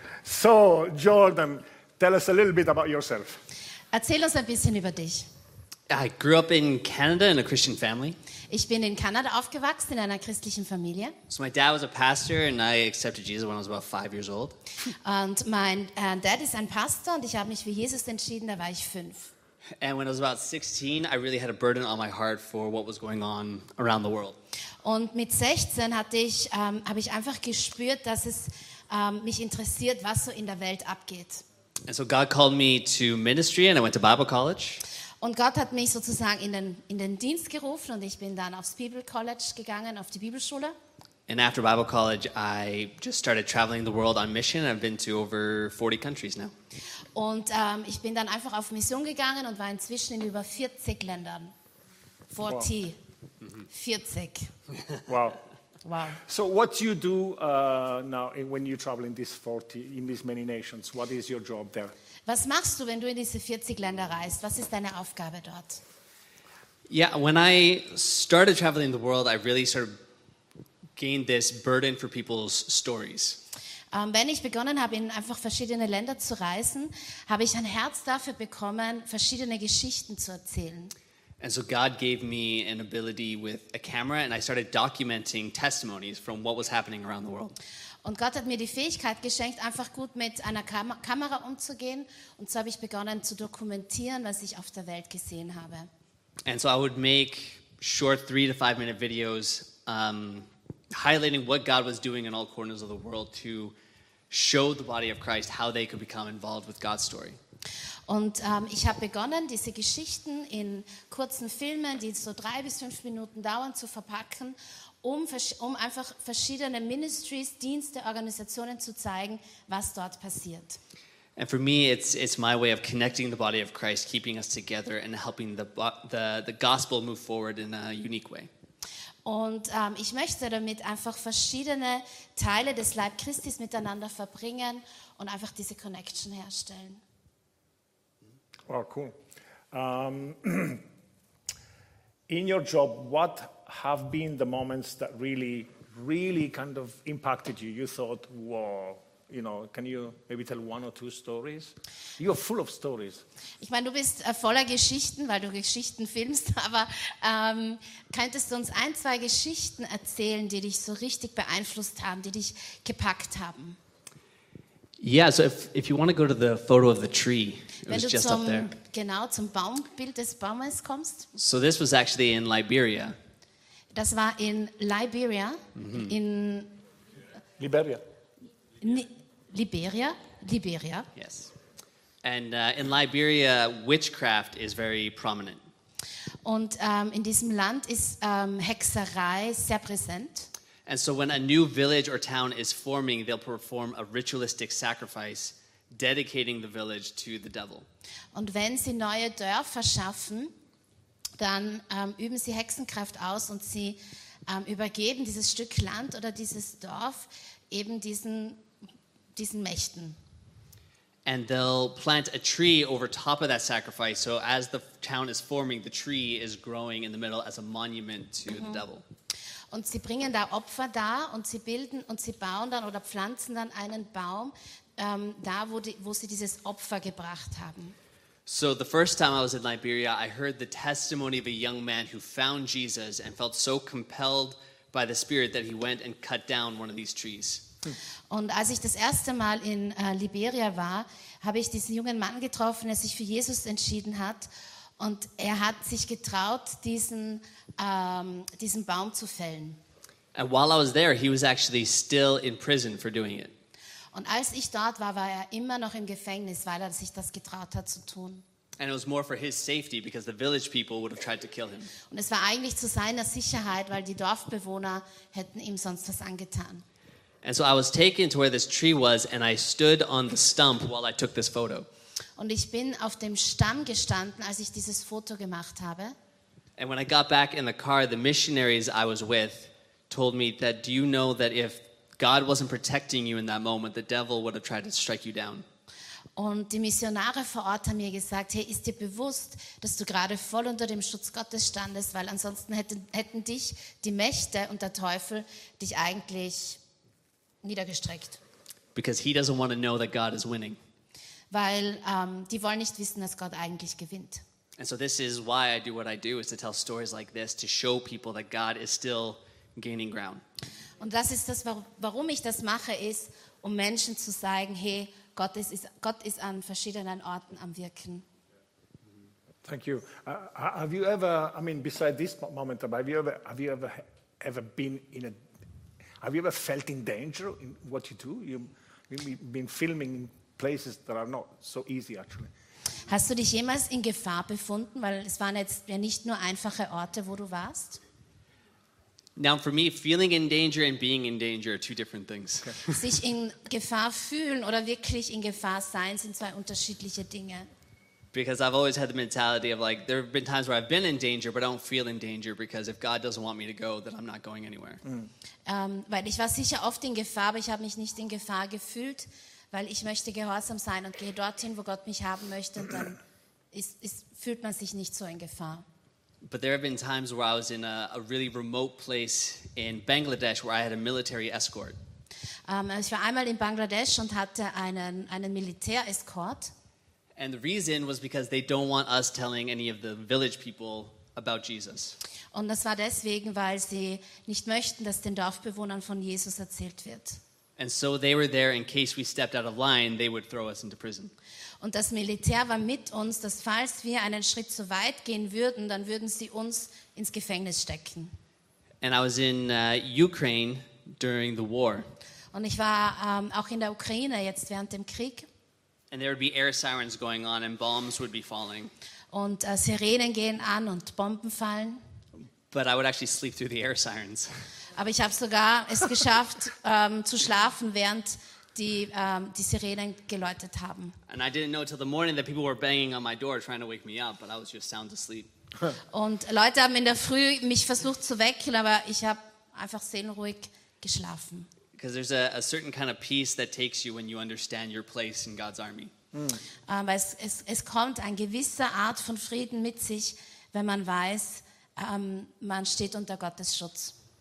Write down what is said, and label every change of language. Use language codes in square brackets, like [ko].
[en] So, Jordan, tell us a little bit about yourself. [de] Erzähl uns ein bisschen über dich. [en] I grew up in Canada in a Christian family. [de] Ich bin in Kanada aufgewachsen in einer christlichen Familie. [en] So my dad was a pastor and I accepted Jesus when I was about 5 years old. [de] Und mein Dad ist ein Pastor und ich habe mich für Jesus entschieden, da war ich 5. [en] And when I was about 16, I really had a burden on my heart for what was going on around the world. [de] Und mit 16 habe ich einfach gespürt, dass es mich interessiert, was so in der Welt abgeht. [en] And so God called me to ministry and I went to Bible college. [de] Und Gott hat mich sozusagen in den Dienst gerufen und ich bin dann aufs Bible College gegangen, auf die Bibelschule. [en] And after Bible College, I just started traveling the world on mission. I've been to over 40 countries now. [de] Und ich bin dann einfach auf Mission gegangen und war inzwischen in über 40 Ländern. [en] 40. Wow. 40. Wow. Wow. So what do you do now when you travel in these 40, in these many nations? What is your job there? [de] Was machst du, wenn du in diese 40 Länder reist? Was ist deine Aufgabe dort? [en] Yeah, when I started traveling the world, I really sort of gained this burden for people's stories. [de] Wenn ich begonnen habe, in einfach verschiedene Länder zu reisen, habe ich ein Herz dafür bekommen, verschiedene Geschichten zu erzählen. [en] And so God gave me an ability with a camera and I started documenting testimonies from what was happening around the world. [de] Und Gott hat mir die Fähigkeit geschenkt, einfach gut mit einer Kamera umzugehen. Und so habe ich begonnen zu dokumentieren, was ich auf der Welt gesehen habe. [en] And so I would make short 3 to 5 minute videos highlighting what God was doing in all corners of the world to show the body of Christ how they could become involved with God's story. [de] Und ich habe begonnen, diese Geschichten in kurzen Filmen, die so 3 bis 5 Minuten dauern, zu verpacken, um einfach verschiedene Ministries, Dienste, Organisationen zu zeigen, was dort passiert. [en] And for me, it's my way of connecting the body of Christ, keeping us together and helping the gospel move forward in a unique way. [de] Und ich möchte damit einfach verschiedene Teile des Leib Christi miteinander verbringen und einfach diese Connection herstellen. [en] Wow, cool. In your job, what have been the moments that really, really kind of impacted you? You thought, wow, you know, can you maybe tell one or two stories? You're full of stories. [de] Ich meine, du bist voller Geschichten, weil du Geschichten filmst, aber könntest du uns 1, 2 Geschichten erzählen, die dich so richtig beeinflusst haben, die dich gepackt haben? [en] Yeah, so if you want to go to the photo of the tree, it [de] Wenn [en] was just [de] zum, [en] up there. [de] Genau, zum Baumbild des Baumes kommst. [en] So this was actually in Liberia. [de] Das war in Liberia. Mm-hmm. In Liberia. Liberia. Liberia. [en] Yes. And in Liberia, witchcraft is very prominent. [de] Und in diesem Land ist Hexerei sehr präsent. [en] And so when a new village or town is forming, they'll perform a ritualistic sacrifice, dedicating the village to the devil. [de] Und wenn sie neue Dörfer schaffen, dann üben sie Hexenkraft aus und sie übergeben dieses Stück Land oder dieses Dorf eben diesen Mächten. [en] And they'll plant a tree over top of that sacrifice, so as the town is forming, the tree is growing in the middle as a monument to the devil. [de] Und sie bringen da Opfer da und sie bilden und sie bauen dann oder pflanzen dann einen Baum da, wo sie dieses Opfer gebracht haben. [en] So the first time I was in Liberia, I heard the testimony of a young man who found Jesus and felt so compelled by the Spirit that he went and cut down one of these trees. [de] Und als ich das erste Mal in Liberia war, habe ich diesen jungen Mann getroffen, der sich für Jesus entschieden hat. Und er hat sich getraut, diesen Baum zu fällen. [en] And while I was there, he was actually still in prison for doing it. [de] Und als ich dort war, war er immer noch im Gefängnis, weil er sich das getraut hat zu tun. [en] And it was more for his safety because the village people would have tried to kill him. [de] Und es war eigentlich zu seiner Sicherheit, weil die Dorfbewohner hätten ihm sonst was angetan. [en] And so I was taken to where this tree was and I stood on the stump while I took this photo. [de] Und ich bin auf dem Stamm gestanden, als ich dieses Foto gemacht habe. [en] And when I got back in the car, the missionaries I was with told me that, do you know that if God wasn't protecting you in that moment, the devil would have tried to strike you down. [de] Und die Missionare vor Ort haben mir gesagt, hey, ist dir bewusst, dass du gerade voll unter dem Schutz Gottes standest, weil ansonsten hätten dich die Mächte und der Teufel dich eigentlich niedergestreckt. [en] Because he doesn't want to know that God is winning. [de] Weil die wollen nicht wissen, dass Gott eigentlich gewinnt. [en] And so this is why I do what I do, is to tell stories like this, to show people that God is still gaining ground. [de] Und das ist das, warum ich das mache, ist, um Menschen zu sagen, hey, Gott ist an verschiedenen Orten am Wirken. [en] Thank you. Have you ever, I mean, beside this moment, have you ever been in a, have you ever felt in danger in what you do? You've been filming places that are not so easy, actually. [de] Hast du dich jemals in Gefahr befunden? Weil es waren jetzt ja nicht nur einfache Orte, wo du warst. [en] Now, for me, feeling in danger and being in danger are 2 different things. Okay. [de] Sich in Gefahr fühlen oder wirklich in Gefahr sein sind 2 unterschiedliche Dinge. [en] Because I've always had the mentality of like, there have been times where I've been in danger, but I don't feel in danger because if God doesn't want me to go, then I'm not going anywhere. [de] Weil ich war sicher oft in Gefahr, aber ich habe mich nicht in Gefahr gefühlt, weil ich möchte gehorsam sein und gehe dorthin, wo Gott mich haben möchte, und dann fühlt man sich nicht so in Gefahr. [en] But there have been times where I was in a really remote place in Bangladesh where I had a military escort. [de] Ich war einmal in Bangladesch und hatte einen Militäreskort. [en] And the reason was because they don't want us telling any of the village people about Jesus. [de] Und das war deswegen, weil sie nicht möchten, dass den Dorfbewohnern von Jesus erzählt wird. [en] And so they were there in case we stepped out of line, they would throw us into prison. [de] Und das Militär war mit uns, dass falls wir einen Schritt zu weit gehen würden, dann würden sie uns ins Gefängnis stecken. [en] And I was in Ukraine during the war. [de] Und ich war auch in der Ukraine jetzt während dem Krieg. [en] And there would be air sirens going on and bombs would be falling. [de] Und Sirenen gehen an und Bomben fallen. [en] But I would actually sleep through the air sirens. [de] Aber ich habe sogar es geschafft zu schlafen, während die Sirenen geläutet haben. [en] And I didn't know till the morning that people were banging on my door trying to wake me up, but I was just sound asleep. [de] Und Leute haben in der Früh mich versucht zu wecken, aber ich habe einfach seelenruhig geschlafen. [en] Because there's a certain kind of peace that takes you when you understand your place in God's army. [de] Aber es kommt eine gewisse Art von Frieden mit sich, wenn man weiß, man steht unter Gottes Schutz.